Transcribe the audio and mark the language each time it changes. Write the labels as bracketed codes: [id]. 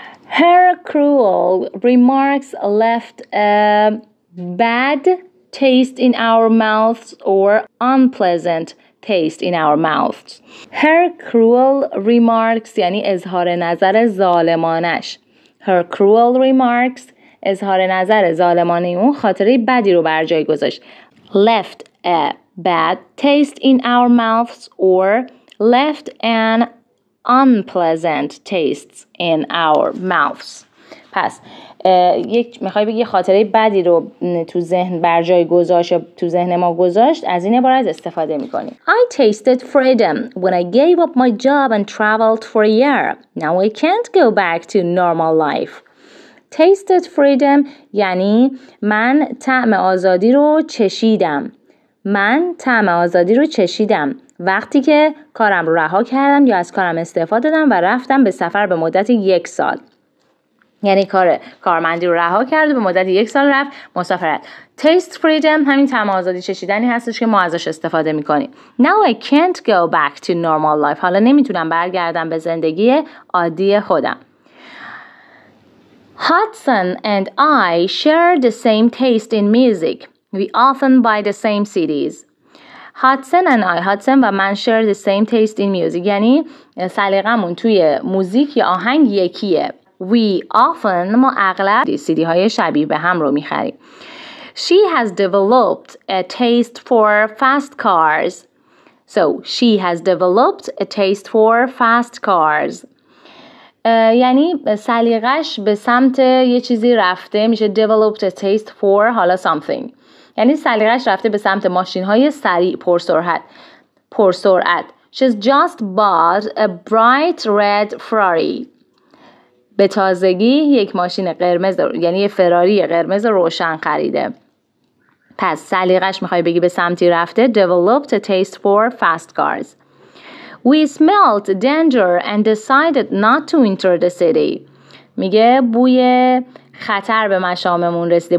[en] Her cruel remarks left a bad taste in our mouths or unpleasant taste in our mouths. Her cruel remarks [fa] یعنی اظهار نظر ظالمانش. [en] Her cruel remarks [fa] اظهار نظر ظالمانه اون خاطره بدی رو بر جای گذاشت. [en] Left a bad taste in our mouths or left an unpleasant taste in our mouths. [fa] پس میخوای بگی خاطره بدی رو تو ذهن بر جای گذاشت، تو ذهن ما گذاشت، از این عبارت استفاده میکنی. [en] I tasted freedom when I gave up my job and traveled for a year. Now I can't go back to normal life. Tasted freedom [fa] یعنی من طعم آزادی رو چشیدم. من طعم آزادی رو چشیدم وقتی که کارم رو رها کردم یا از کارم استعفا دادم و رفتم به سفر به مدت یک سال. یعنی کارمندی رو رها کرد و به مدت یک سال رفت مسافرت. [en] Taste freedom [fa] همین طعم آزادی چشیدنی هستش که ما ازش استفاده میکنیم. [en] Now I can't go back to normal life. [fa] حالا نمیتونم برگردم به زندگی عادی خودم. [en] Hudson and I share the same taste in music. We often buy the same CDs. Hudson and I share the same taste in music. [fa] یعنی سلیقه‌مون توی موزیک یا آهنگ یکیه. [en] We often, [fa] ما اغلب CD های شبیه به هم رو می‌خریم. [en] She has developed a taste for fast cars. So, she has developed a taste for fast cars. [fa] یعنی سلیقش به سمت یه چیزی رفته، میشه [en] developed a taste for [fa] حالا something، یعنی سلیقش رفته به سمت ماشین های سریع پرسرعت. [en] She's just bought a bright red Ferrari. [fa] به تازگی یک ماشین قرمز، یعنی یه فراری قرمز روشن خریده. پس سلیقش میخوای بگی به سمتی رفته [en] developed a taste for fast cars. We smelled danger and decided not to enter the city. [fa] میگه بوی خطر به مشاممون رسیده.